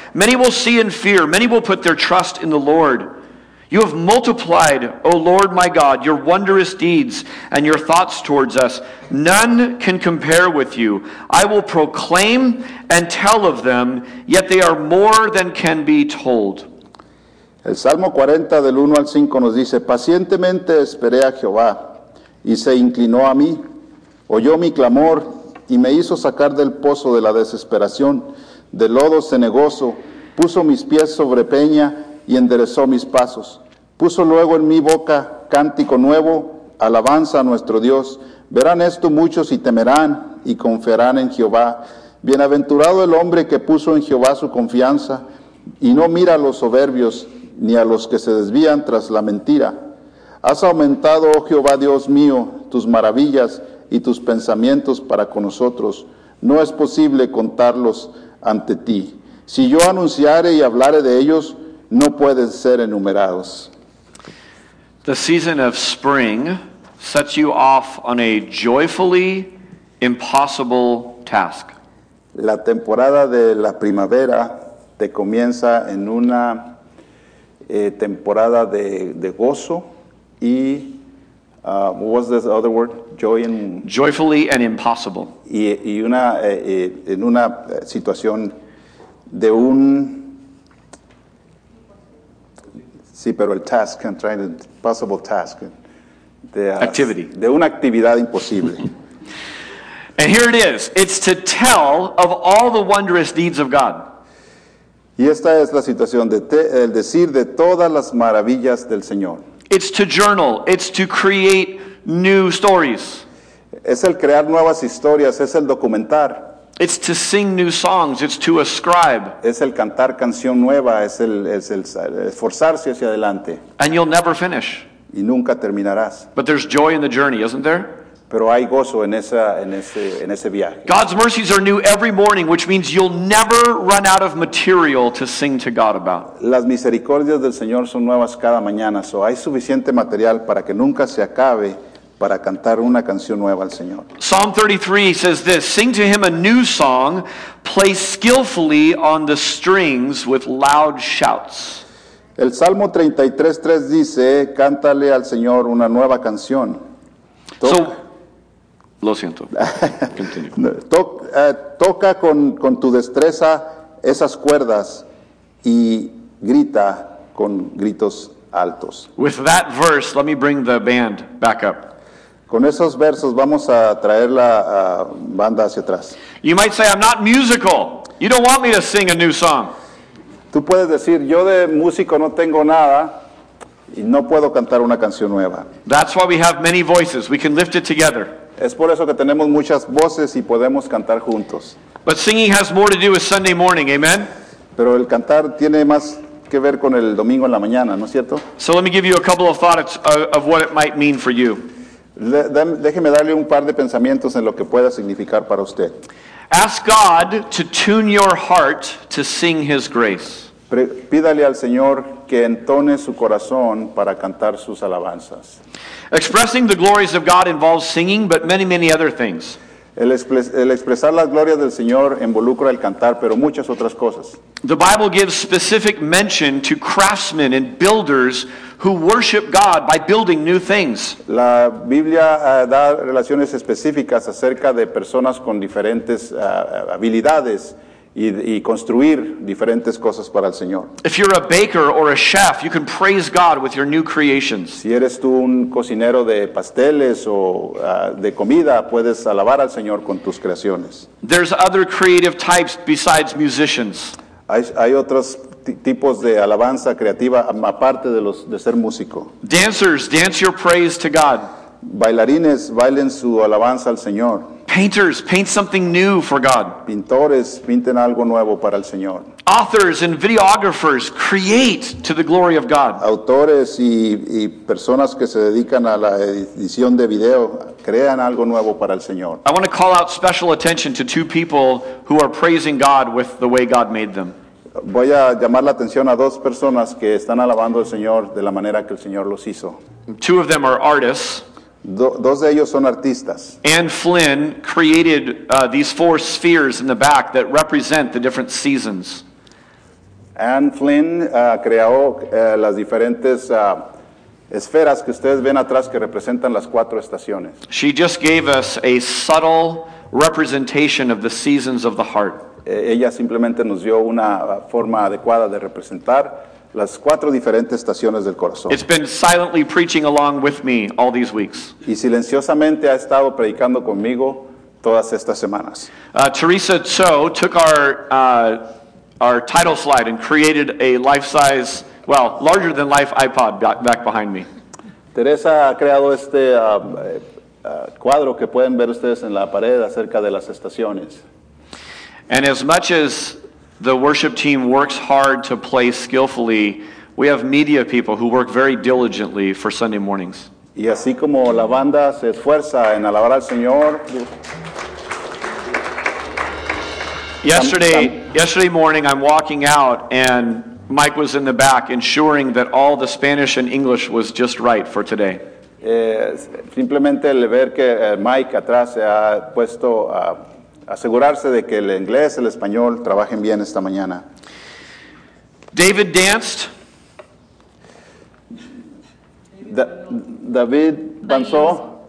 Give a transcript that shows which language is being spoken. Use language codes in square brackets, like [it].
[en] Many will see and fear. Many will put their trust in the Lord. You have multiplied, O Lord my God, your wondrous deeds and your thoughts towards us. None can compare with you. I will proclaim and tell of them, yet they are more than can be told. [es] El Salmo 40, del 1 al 5, nos dice, pacientemente esperé a Jehová, y se inclinó a mí, oyó mi clamor, y me hizo sacar del pozo de la desesperación, del lodo cenagoso, puso mis pies sobre peña, y enderezó mis pasos. Puso luego en mi boca cántico nuevo, alabanza a nuestro Dios. Verán esto muchos y temerán y confiarán en Jehová. Bienaventurado el hombre que puso en Jehová su confianza y no mira a los soberbios ni a los que se desvían tras la mentira. Has aumentado, oh Jehová Dios mío, tus maravillas y tus pensamientos para con nosotros. No es posible contarlos ante ti. Si yo anunciare y hablare de ellos, no pueden ser enumerados. [en] The season of spring sets you off on a joyfully impossible task. [es] La temporada de la primavera te comienza en una temporada de gozo y [en] what was this other word? Joy and joyfully and impossible. [es] Y una situación de un sí, pero el [en] task, I'm trying to, possible task. Activity. [es] De una actividad imposible. [en] And here it is. It's to tell of all the wondrous deeds of God. [es] Y esta es la situación, el decir de todas las maravillas del Señor. [en] It's to journal. It's to create new stories. [es] Es el crear nuevas historias, es el documentar. [en] It's to sing new songs. It's to ascribe. [es] Es el cantar canción nueva. Es el esforzarse hacia adelante. [en] And you'll never finish. [es] Y nunca terminarás. [en] But there's joy in the journey, isn't there? [es] Pero hay gozo en ese viaje. [en] God's mercies are new every morning, which means you'll never run out of material to sing to God about. [es] Las misericordias del Señor son nuevas cada mañana. So hay suficiente material para que nunca se acabe. Para cantar una canción nueva al Señor. [en] Psalm 33 says this, sing to him a new song, play skillfully on the strings with loud shouts. [es] El Salmo 33:3 dice, cántale al Señor una nueva canción. So, lo siento. [en] Continue. [es] toca con tu destreza esas cuerdas y grita con gritos altos. [en] With that verse, let me bring the band back up. [es] Con esos versos vamos a traer la banda hacia atrás. [en] You might say, I'm not musical. You don't want me to sing a new song. [es] Tú puedes decir, yo de músico no tengo nada y no puedo cantar una canción nueva. [en] That's why we have many voices. We can lift it together. [es] Es por eso que tenemos muchas voces y podemos cantar juntos. [en] But singing has more to do with Sunday morning, amen? [es] Pero el cantar tiene más que ver con el domingo en la mañana, ¿no es cierto? [en] So let me give you a couple of thoughts of what it might mean for you. [es] Déjeme darle un par de pensamientos en lo que pueda significar para usted. [en] Ask God to tune your heart to sing His grace. [es] Pídale al Señor que entone su corazón para cantar sus alabanzas. [en] Expressing the glories of God involves singing, but many, many other things. [es] El expresar las glorias del Señor involucra el cantar, pero muchas otras cosas. [en] The Bible gives specific mention to craftsmen and builders who worship God by building new things. [es] La Biblia da relaciones específicas acerca de personas con diferentes habilidades y construir diferentes cosas para el Señor. [en] If you're a baker or a chef, you can praise God with your new creations. [es] Si eres tú un cocinero de pasteles o de comida, puedes alabar al Señor con tus creaciones. [en] There's other creative types besides musicians. [es] Hay otros tipos de alabanza creativa aparte de los de ser músico. [en] Dancers, dance your praise to God. [es] Bailarines, bailen su alabanza al Señor. [en] Painters, paint something new for God. [es] Pintores, pinten algo nuevo para el Señor. [en] Authors and videographers, create to the glory of God. [es] Autores y personas que se dedican a la edición de video, crean algo nuevo para el Señor. [en] I want to call out special attention to two people who are praising God with the way God made them. [es] Voy a llamar la atención a dos personas que están alabando al Señor de la manera que el Señor los hizo. [en] Two of them are artists. [es] Dos de ellos son artistas. [en] Ann Flynn created these four spheres in the back that represent the different seasons. [es] Ann Flynn creó las diferentes esferas que ustedes ven atrás que representan las cuatro estaciones. [en] She just gave us a subtle representation of the seasons of the heart. [es] Ella simplemente nos dio una forma adecuada de representar las cuatro diferentes estaciones del corazón. [en] It's been silently preaching along with me all these weeks. [es] Y silenciosamente ha estado predicando conmigo todas estas semanas. [en] Teresa Cho took our title slide and created a life-size, well, larger than life iPod back behind me. [es] Teresa ha creado este cuadro que pueden ver ustedes en la pared acerca de las estaciones. [en] And as much as the worship team works hard to play skillfully, we have media people who work very diligently for Sunday mornings. [es] Y así como la banda se esfuerza en alabar al Señor. [en] Yesterday morning I'm walking out and Mike was in the back ensuring that all the Spanish and English was just right for today. [es] Simplemente el ver que Mike atrás se ha puesto a asegurarse de que el inglés y el español trabajen bien esta mañana. [en] David danced. [es] David danzó.